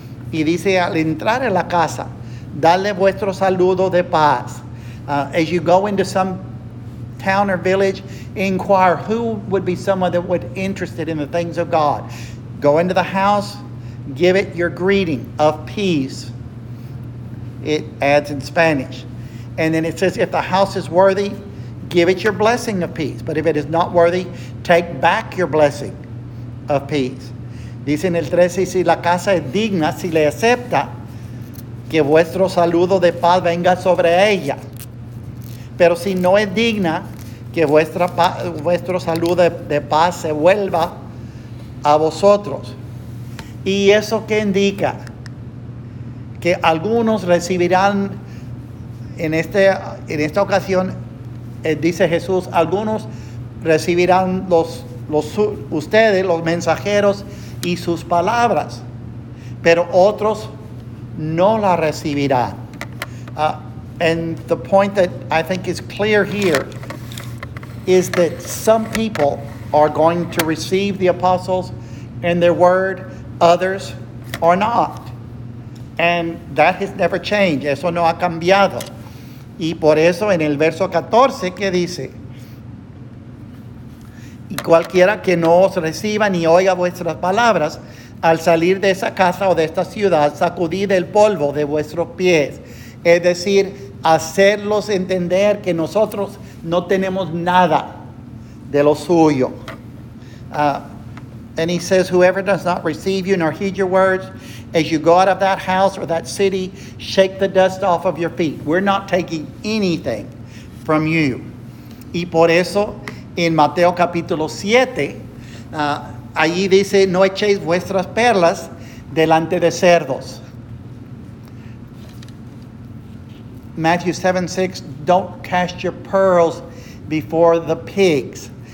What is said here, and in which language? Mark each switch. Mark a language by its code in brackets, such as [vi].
[es] Y dice, al entrar en la casa, dale vuestro saludo de paz. [en] As you go into some town or village, inquire who would be someone that would be interested in the things of God. Go into the house, give it your greeting of peace. It adds in Spanish. And then it says, if the house is worthy, give it your blessing of peace. But if it is not worthy, take back your blessing of peace. [es] Dice en el 13, si la casa es digna, si le acepta, que vuestro saludo de paz venga sobre ella. Pero si no es digna, que vuestro saludo de paz se vuelva a vosotros. ¿Y eso qué indica? Que algunos recibirán en esta ocasión, dice Jesús, algunos recibirán ustedes, los mensajeros, y sus palabras, pero otros no la recibirán. [en] And the point that I think is clear here is that some people are going to receive the apostles and their word, others are not. And that has never changed. [es] Eso no ha cambiado. Y por eso en el verso 14 que dice, y cualquiera que no os reciba ni oiga vuestras palabras, al salir de esa casa o de esta ciudad, sacudid el polvo de vuestros pies. Es decir, hacerlos entender que nosotros no tenemos nada de lo suyo. [en] And he says, whoever does not receive you nor heed your words, as you go out of that house or that city, shake the dust off of your feet. We're not taking anything from you. [es] Y por eso, en Mateo capítulo 7, allí dice, no echéis vuestras perlas delante de cerdos. [en] Matthew 7:6, don't cast your pearls before the pigs.